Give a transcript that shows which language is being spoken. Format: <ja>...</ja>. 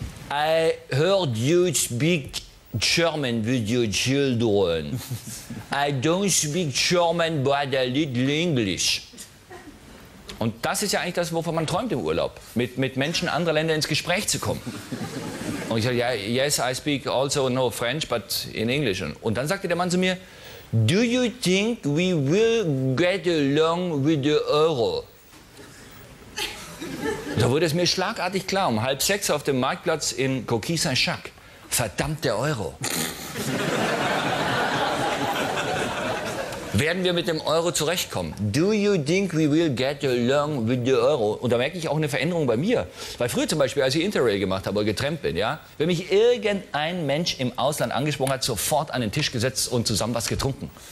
<en>I heard you speak German with your children. I don't speak German, but a little English.</en> <de>Und das ist ja eigentlich das, wovon man träumt im Urlaub. Mit Menschen anderer Länder ins Gespräch zu kommen. Und ich sage,</de> <en>yeah, yes, I speak also no French, but in English.</en> <de>Und dann sagte der Mann zu mir,</de> <en>do you think we will get along with the euro?</en> <de>Da wurde es mir schlagartig klar, um 17:30 auf dem Marktplatz in Coquille Saint-Jacques. Verdammt der Euro. Werden wir mit dem Euro zurechtkommen?</de> <en>Do you think we will get along with the euro?</en> <de>Und da merke ich auch eine Veränderung bei mir. Weil früher zum Beispiel, als ich Interrail gemacht habe oder getrennt bin, ja, wenn mich irgendein Mensch im Ausland angesprochen hat, sofort an den Tisch gesetzt und zusammen was getrunken.</de>